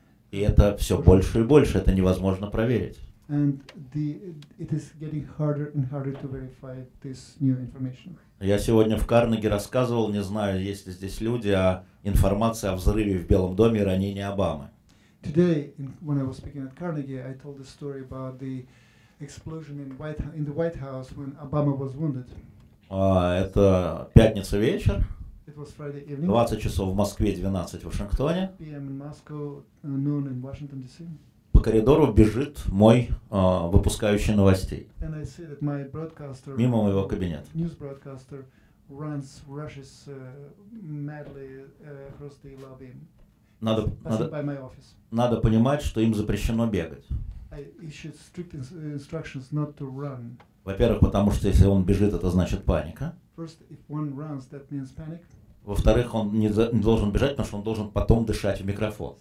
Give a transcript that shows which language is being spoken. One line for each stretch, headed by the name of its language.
Russian: И это все больше и больше, это невозможно проверить.
English: It is getting harder and harder to verify this new information.
Russian: Я сегодня в Карнеге рассказывал, не знаю, есть ли здесь люди, о информации о взрыве в Белом доме и ранении Обамы.
English: Today, when I was speaking at Carnegie, I told the story about the explosion in the White House when Obama was wounded.
Russian: Это пятница вечер.
English: It was Friday evening.
Russian: 20 часов в Москве, 12 в Вашингтоне.
English: PM in Moscow, noon in Washington DC.
Russian: По коридору бежит мой выпускающий новостей.
English: And I see that my broadcaster,
Russian: мимо моего кабинета.
English: News broadcaster runs, rushes madly across the lobby.
Russian: Надо понимать, что им запрещено бегать.
English: I issued strict instructions not to run.
Russian: Во-первых, потому что если он бежит, это значит паника.
English: First, if one runs, that means panic.
Russian: Во-вторых, он не должен бежать, потому что он должен потом дышать в микрофон.